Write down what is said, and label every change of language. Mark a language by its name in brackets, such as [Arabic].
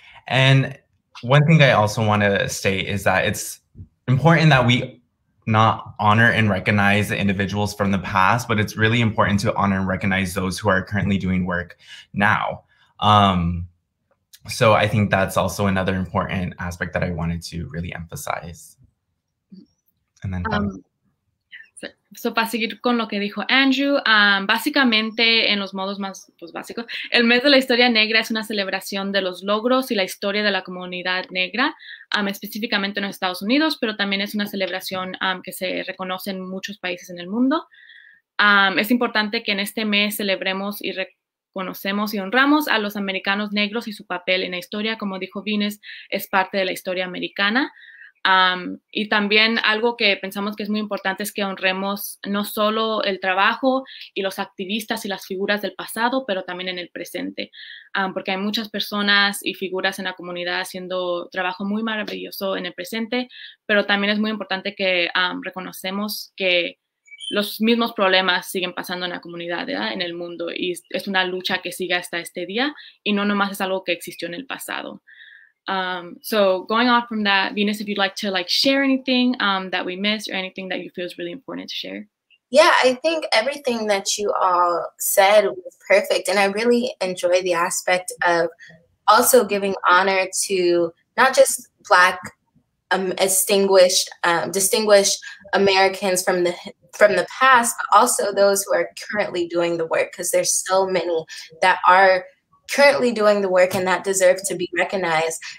[English] And one thing I also want to state is that it's important that we not honor and recognize the individuals from the past, but it's really important to honor and recognize those who are currently doing work now. So I think that's also another important aspect that I wanted to really emphasize. And then [Spanish] So para seguir con lo que dijo Andrew, básicamente en los modos más básicos, el mes de la historia negra es una celebración de los logros y la historia de la comunidad negra, específicamente en los Estados Unidos, pero también es una celebración que se reconoce en muchos países en el mundo. Es importante que en este mes celebremos y reconocemos y honramos a los americanos negros y su papel en la historia. Como dijo Vines, es parte de la historia americana. Y también algo que pensamos que es muy importante es que honremos no solo el trabajo y los activistas y las figuras del pasado, pero también en el presente, porque hay muchas personas y figuras en la comunidad haciendo trabajo muy maravilloso en el presente, pero también es muy importante que reconocemos que los mismos problemas siguen pasando en la comunidad, ¿verdad? En el mundo, y es una lucha que sigue hasta este día y no nomás es algo que existió en el pasado. [English] So going off from that, Venus, if you'd like to like share anything that we missed or anything that you feel is really important to share. Yeah, I think everything that you all said was perfect. And I really enjoy the aspect of also giving honor to not just Black distinguished Americans from the past, but also those who are currently doing the work, because there's so many that are currently doing the work and that deserve to be recognized.